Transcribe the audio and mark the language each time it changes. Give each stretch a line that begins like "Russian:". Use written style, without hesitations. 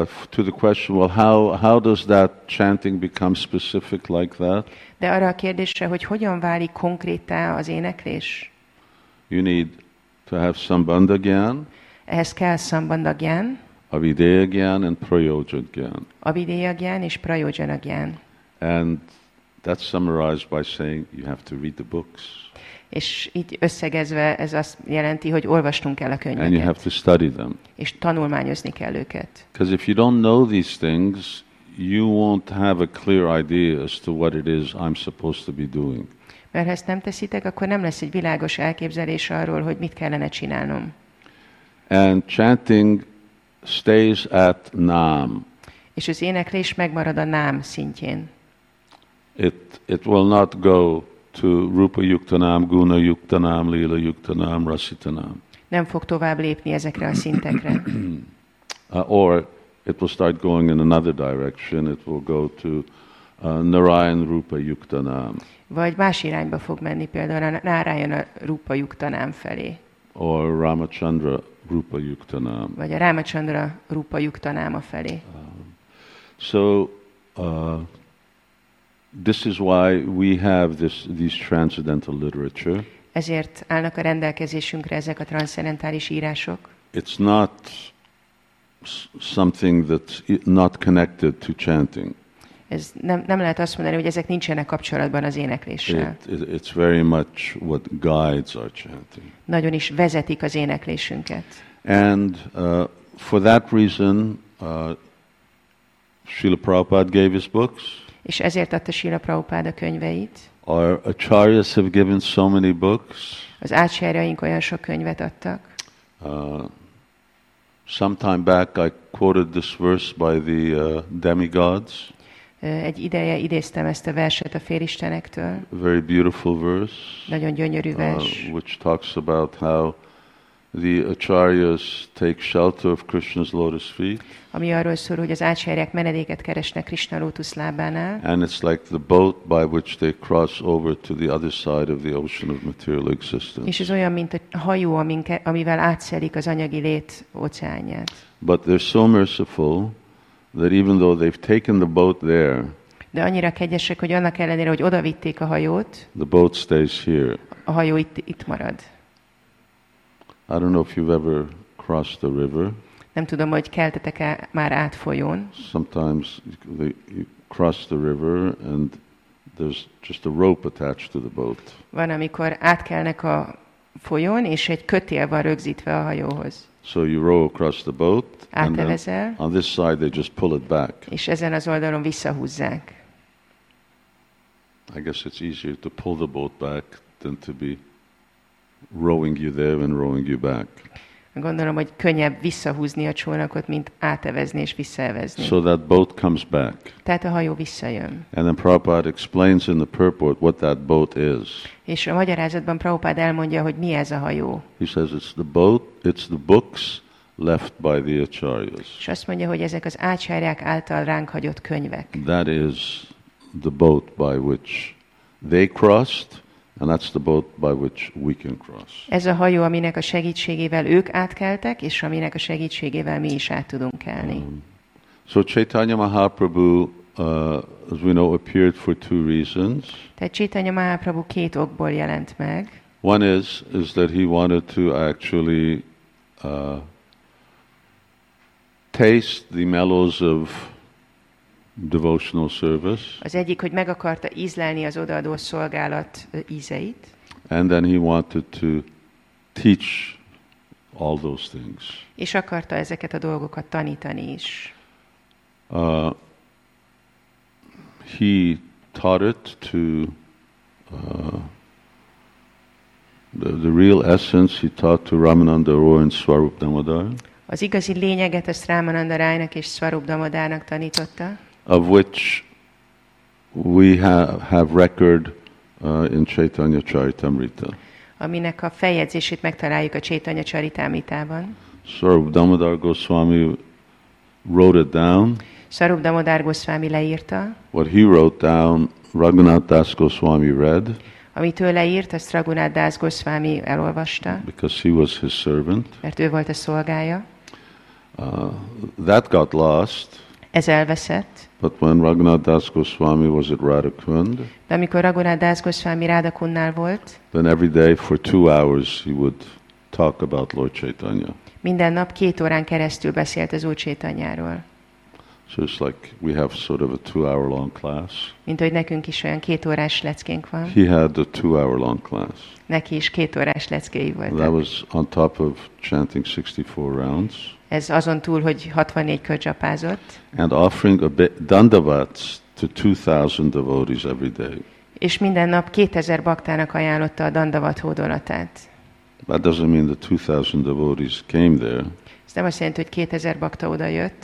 English: To the question, well, how does that chanting become specific like that?
Hungarian: De arra a kérdésre, hogy hogyan válik konkrétá az éneklés?
English: You need to have sambandha gyan.
Hungarian: Ehhez kell sambandha gyan.
English: Avideya gyan and prayojana gyan.
Hungarian: Avideya gyan és prayojana gyan.
English: And that's summarized by saying you have to read the books.
Hungarian: És így összegezve ez azt jelenti, hogy olvastunk el a könyveket.
English: And you have to study them.
Hungarian: És tanulmányozni kell őket.
English: Because if you don't know these things, you won't have a clear idea as to what it is I'm supposed to be doing.
Hungarian: Mert ha ezt nem teszitek, akkor nem lesz egy világos elképzelés arról, hogy mit kellene csinálnom.
English: And chanting stays at nám.
Hungarian: És az éneklés megmarad a nám szintjén.
English: It will not go to rupa yuktanam, guna yuktanam, lila yuktanam, rasitanam.
Hungarian: Nem fog tovább lépni ezekre a szintekre.
English: Or it will start going in another direction. It will go to Narayan rupa yuktanam.
Hungarian: Vagy más irányba fog menni, például a Narayana rupa yuktanam felé.
English: Or Ramachandra rupa yuktanam.
Hungarian: Vagy a Ramachandra rupa yuktanama felé.
English: This is why we have these transcendental literature.
Hungarian: Ezért állnak a rendelkezésünkre ezek a transzcendentális írások.
English: It's not something that's not connected to chanting.
Hungarian: Ez nem lehet azt mondani, hogy ezek nincsenek kapcsolatban az énekléssel.
English: It's very much what guides our chanting.
Hungarian: Nagyon is vezetik az éneklésünket.
English: And for that reason, Srila Prabhupada gave his books.
Hungarian: És ezért adta Srila Prabhupada könyveit.
English: Our acharyas have given so many books.
Hungarian: Az ácsárjaink olyan sok könyvet adtak.
English: Sometime back I quoted this verse by the demigods.
Hungarian: Egy ideje idéztem ezt a verset a félistenektől.
English: Very beautiful verse.
Hungarian: Nagyon gyönyörű vers.
English: Which talks about how the acharyas take shelter of Krishna's lotus feet.
Hungarian: Ami arról szól, hogy az ácsárják menedéket keresnek Krishna lótusz lábánál.
English: And it's like the boat by which they cross over to the other side of the ocean of material existence.
Hungarian: És ez olyan, mint a hajó, amivel átszelik az anyagi lét óceánját.
English: But they're so merciful that even though they've taken the boat there,
Hungarian: de annyira kegyesek, hogy annak ellenére, hogy oda vitték a hajót,
English: the boat stays here.
Hungarian: A hajó itt marad.
English: I don't know if you've ever crossed the river.
Hungarian: Nem tudom, hogy keltetek-e már átfolyón.
English: Sometimes you cross the river and there's just a rope attached to the boat.
Hungarian: Van, amikor átkelnek a folyón, és egy kötél van rögzítve a hajóhoz.
English: So you row across the boat.
Hungarian: Átevezel.
English: On this side they just pull it back.
Hungarian: És ezen az oldalon visszahúzzák.
English: I guess it's easier to pull the boat back than to be rowing you there and rowing you back.
Hungarian: Gondolom, hogy könnyebb visszahúzni a csónakot, mint átevezni és visszaevezni.
English: So that boat comes back.
Hungarian: Tehát a hajó visszajön.
English: And then Prabhupada explains in the purport what that boat is.
Hungarian: És a magyarázatban Prabhupada elmondja, hogy mi ez a hajó.
English: He says it's the boat, it's the books left by the acharyas.
Hungarian: És azt mondja, hogy ezek az ácsárják által ránk hagyott könyvek.
English: That is the boat by which they crossed. And that's the boat by which we can cross.
Hungarian: Ez a hajó, aminek a segítségével ők átkeltek, és aminek a segítségével mi is át tudunk kelni.
English: So Chaitanya Mahaprabhu, as we know, appeared for two reasons.
Hungarian: Tehát Chaitanya Mahaprabhu két okból jelent meg.
English: One is that he wanted to actually taste the mellows of devotional service.
Hungarian: Az egyik, hogy meg akarta ízlelni az odaadó szolgálat ízeit.
English: And then he wanted to teach all those things.
Hungarian: És akarta ezeket a dolgokat tanítani is.
English: He taught it to the real essence he taught to Ramananda Roy and Swarup Damodar.
Hungarian: Az igazi lényeget a Ramananda Roy-nak és Swarup Damodar-nak tanította.
English: Of which we have record in Chaitanya Charitamrita.
Hungarian: Aminek a feljegyzését megtaláljuk a Chaitanya Charitamritában.
English: Swarup Damodar Goswami wrote it down.
Hungarian: Swarup Damodar Goswami leírta.
English: What he wrote down, Raghunath Das Goswami read.
Hungarian: Amit ő leírt, azt Raghunath Das Goswami elolvasta.
English: Because he was his servant.
Hungarian: Mert ő volt a szolgája.
English: That got lost.
Hungarian: Ez elveszett.
English: But when Raghunath Das Goswami was at Radhakund,
Hungarian: de amikor Raghunath Das Goswami Radhakunnál volt,
English: then every day for 2 hours he would talk about Lord Chaitanya.
Hungarian: Minden nap 2 órán keresztül beszélt az Úr Chaitanyáról.
English: So it's like we have sort of a 2-hour-long class.
Hungarian: Mint hogy nekünk is olyan 2 órás leckénk van.
English: He had a 2-hour-long class.
Hungarian: Neki is 2 órás leckéi voltak.
English: That was on top of chanting 64 rounds.
Hungarian: Ez azon túl, hogy 64 kör japázott.
English: And offering a dandavats to 2,000 devotees every day.
Hungarian: És minden nap 2,000 baktának ajánlotta a dandavat hódolatát.
English: That doesn't mean the 2,000 devotees came there.
Hungarian: Ez nem azt jelenti, hogy 2,000 bakta odajött.